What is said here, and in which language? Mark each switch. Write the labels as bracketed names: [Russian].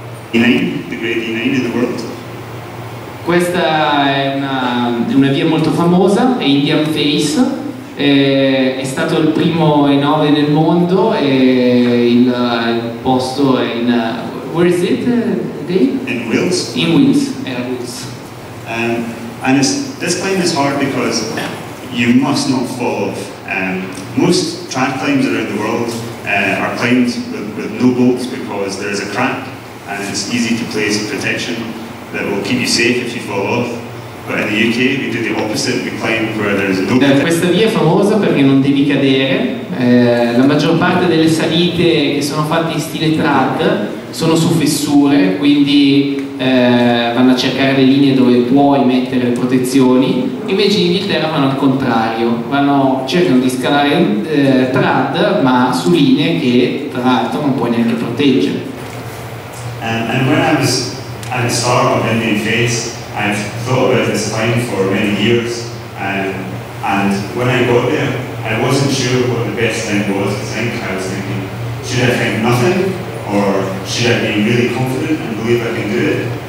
[English] E9 in the world. [Italian] Questa è una via molto famosa, è Indian Face. È stato il primo E9 nel mondo e il posto è in... [English] Where is it, Dave? In Wales. [Italian] In Wales, era Wales. [English] And this climb is hard because you must not fall off. Most track climbs around the world are climbed with no bolts because there is a crack and it's easy to place protection that will keep you safe if you fall off. But in the UK we do the opposite, we climb where there's no crack. [Italian] Questa via è famosa perché non devi cadere. La maggior parte delle salite che sono fatte in stile track sono su fessure, quindi vanno a cercare le linee dove puoi mettere le protezioni. Invece in Inghilterra vanno al contrario, cercano di scalare trad ma su linee che tra l'altro non puoi neanche proteggere. [English] And when I was at the start of Indian Face, I've thought about this climb for many years, and when I got there, I wasn't sure what the best thing was. I think I was thinking, should I think nothing, or should I be really confident and believe I can do it?